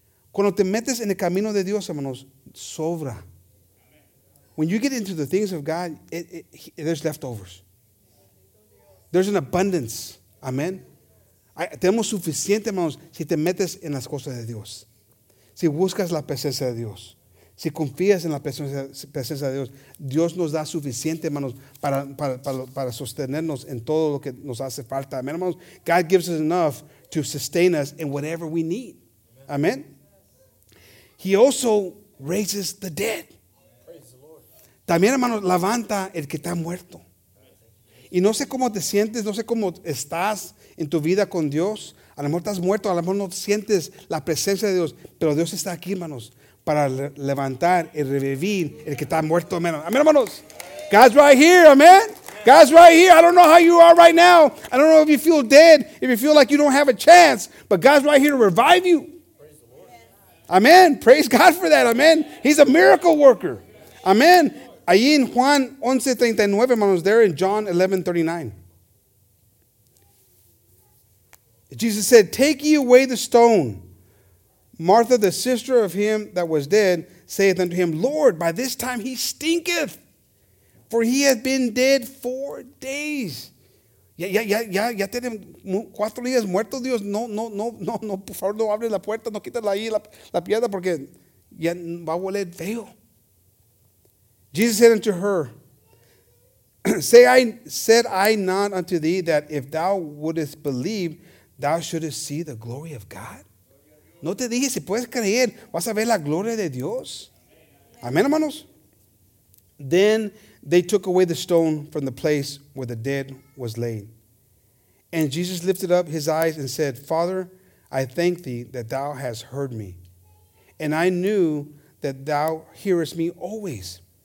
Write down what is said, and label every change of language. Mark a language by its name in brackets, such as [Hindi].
[Spanish] Cuando te metes en el camino de Dios, hermanos, sobra. [English] When you get into the things of God, there's leftovers. There's an abundance. Amen. [Spanish] Tenemos suficiente, hermanos, si te metes en las cosas de Dios. Si buscas la presencia de Dios. Si confías en la presencia de Dios. Dios nos da suficiente, hermanos, para sostenernos en todo lo que nos hace falta. [English] Amen, hermanos. God gives us enough to sustain us in whatever we need. Amen. He also raises the dead. [Spanish] También, hermanos, levanta el que está muerto. Y no sé cómo te sientes, no sé cómo estás en tu vida con Dios. A lo mejor estás muerto, a lo mejor no sientes la presencia de Dios. Pero Dios está aquí, hermanos, para levantar y revivir el que está muerto. [English] Amén, hermanos. God's right here, amen. God's right here. I don't know how you are right now. I don't know if you feel dead, if you feel like you don't have a chance. But God's right here to revive you. Amen. Praise God for that. Amen. He's a miracle worker. Amen. [Spanish] Allí en Juan 11:39, hermanos, [English] there in John 11:39. Jesus said, take ye away the stone. Martha, the sister of him that was dead, saith unto him, Lord, by this time he stinketh, for he hath been dead 4 days. [Spanish] Ya tienen 4 días muerto, Dios. No, por favor, no abres la puerta, no quites ahí la piedra, porque ya va a oler feo. [English] Jesus said unto her, said I not unto thee that if thou wouldest believe, thou shouldest see the glory of God? [Spanish] No te dije, si puedes creer, vas a ver la gloria de Dios. Amen, hermanos. [English] Then they took away the stone from the place where the dead was laid. And Jesus lifted up his eyes and said, Father, I thank thee that thou hast heard me. And I knew that thou hearest me always.